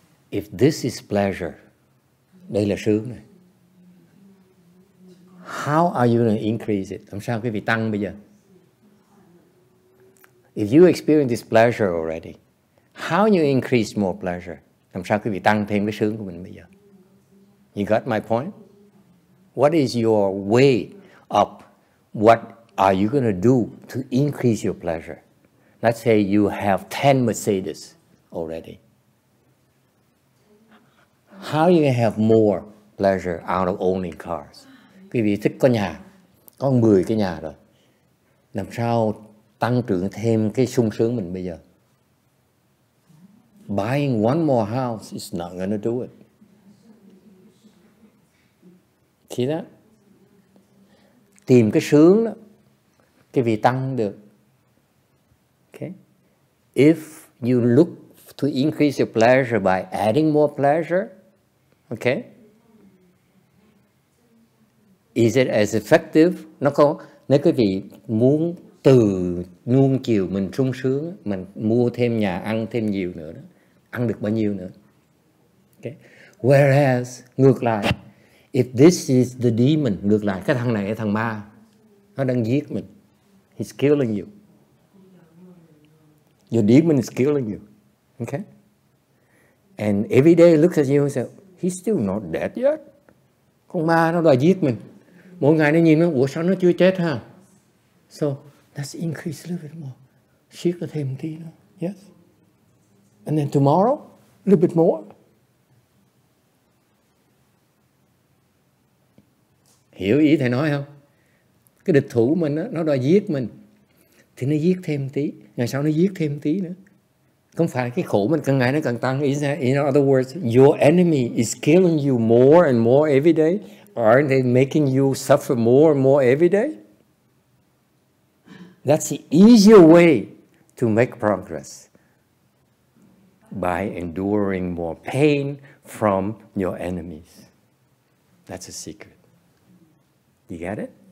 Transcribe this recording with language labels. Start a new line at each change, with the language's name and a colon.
English: If this is pleasure,
Vietnamese: đây là sướng này.
English: How are you going to increase it?
Vietnamese: Làm sao quý vị tăng bây giờ?
English: If you experience this pleasure already, how you increase more pleasure?
Vietnamese: Làm sao quý vị tăng thêm cái sướng của mình bây giờ?
English: You got my point? What is your way up? What are you going to do to increase your pleasure? Let's say you have 10 Mercedes already. How are you going to have more pleasure out of owning cars?
Vietnamese: Quý vị thích có nhà, có 10 cái nhà rồi. Làm sao tăng trưởng thêm cái sung sướng mình bây giờ?
English: Buying one more house is not going to do it. See that?
Vietnamese: Tìm cái sướng đó, cái vị tăng được. Okay.
English: If you look to increase your pleasure by adding more pleasure, okay? Is it as effective?
Vietnamese: Nó có, nếu quý vị muốn từ nuông chiều mình sung sướng, mình mua thêm nhà ăn thêm nhiều nữa, đó, ăn được bao nhiêu nữa? Okay. Whereas, ngược lại,
English: if this is the demon,
Vietnamese: ngược lại, cái thằng này là thằng ma, nó đang giết mình.
English: He's killing you. Your demon is killing you. Okay? And every day looks at you and says, he's still not dead yet.
Vietnamese: Con ma nó đòi giết mình. Mỗi ngày nó nhìn nó, ủa sao nó chưa chết ha?
English: So, let's increase a little bit more. Shift
Vietnamese: nó thêm tí nữa.
English: Yes? And then tomorrow, a little bit more.
Vietnamese: Hiểu ý thầy nói không? Cái địch thủ mình đó, nó đòi giết mình. Thì nó giết thêm tí. Ngày sau nó giết thêm tí nữa. Không phải cái khổ mình càng ngày nó càng tăng.
English: In other words, your enemy is killing you more and more every day. Aren't they making you suffer more and more every day? That's the easier way to make progress. By enduring more pain from your enemies. That's a secret. You get it?